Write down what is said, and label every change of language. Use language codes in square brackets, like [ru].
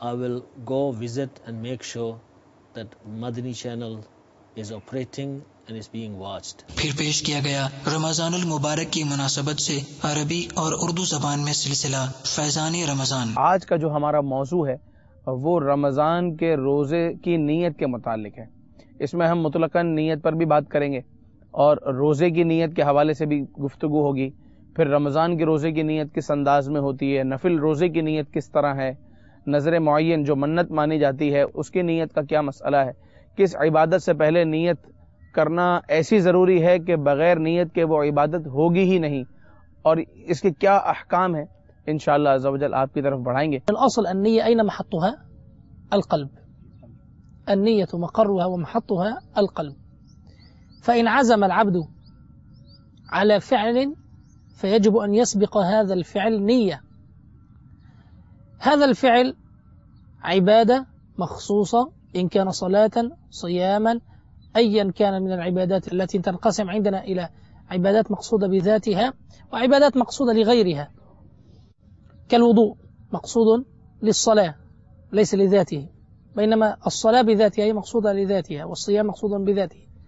[en] I will go visit and make sure that Madini channel is operating and is being watched. [ur] پھر پیش کیا گیا رمضان المبارک کی مناسبت سے عربی اور اردو زبان میں سلسلہ فیضان رمضان. آج کا جو ہمارا موضوع ہے وہ رمضان کے روزے کی نیت کے متعلق ہے. اس میں ہم مطلقاً نیت پر بھی بات کریں گے اور روزے کی نیت کے حوالے سے بھی گفتگو ہوگی. پھر رمضان کے روزے کی نیت کس انداز میں ہوتی ہے, نفل روزے کی نیت کس طرح ہے, نظر معین جو منت مانی جاتی ہے اس کی نیت کا کیا مسئلہ ہے, کس عبادت سے پہلے نیت کرنا ایسی ضروری ہے کہ بغیر نیت کے وہ عبادت ہوگی ہی نہیں, اور اس کے کیا احکام ہیں, انشاءاللہ عز و جل آپ کی طرف بڑھائیں گے. [ar] الاصل النیہ این محطها القلب, النیہ مقرها ومحطها القلب, فإن عزم العبد على فعل فيجب أن يسبق هذا الفعل نية. هذا الفعل عبادة مخصوصة, إن كان صلاة صياما أيا كان من العبادات التي تنقسم عندنا إلى عبادات مقصودة بذاتها وعبادات مقصودة لغيرها, كالوضوء مقصود للصلاة ليس لذاته, بينما الصلاة بذاتها هي مقصودة لذاتها والصيام مقصود بذاته.